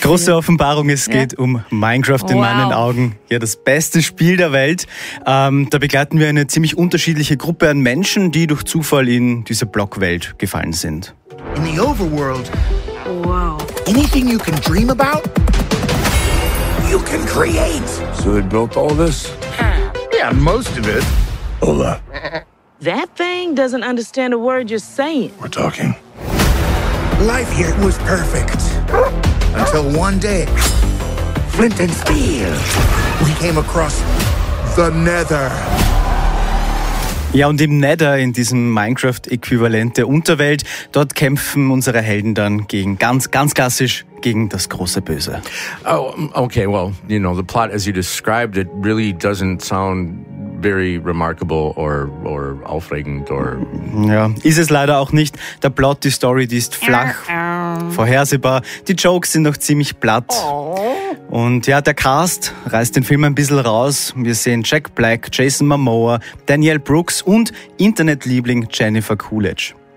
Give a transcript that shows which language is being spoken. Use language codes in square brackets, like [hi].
[de] Große Offenbarung, es geht um Minecraft in meinen Augen. Ja, das beste Spiel der Welt. Da begleiten wir eine ziemlich unterschiedliche Gruppe an Menschen, die durch Zufall in diese Blockwelt gefallen sind. [en] In the overworld, wow. Anything you can dream about, you can create. So they built all this? Yeah, most of it. [es] Hola. [en] That thing doesn't understand a word you're saying. We're talking. Life here was perfect. Until one day, flint and steel, we came across the Nether. [de] Ja, und im Nether, in diesem Minecraft-Äquivalent der Unterwelt, dort kämpfen unsere Helden dann gegen ganz, ganz klassisch gegen das große Böse. [en] Oh, okay, well, you know, the plot as you described it really doesn't sound very remarkable or aufregend or... [de] Ja, ist es leider auch nicht. Der Plot, die Story, die ist flach, vorhersehbar. Die Jokes sind noch ziemlich platt. Und ja, der Cast reißt den Film ein bisschen raus. Wir sehen Jack Black, Jason Momoa, Danielle Brooks und Internetliebling Jennifer Coolidge.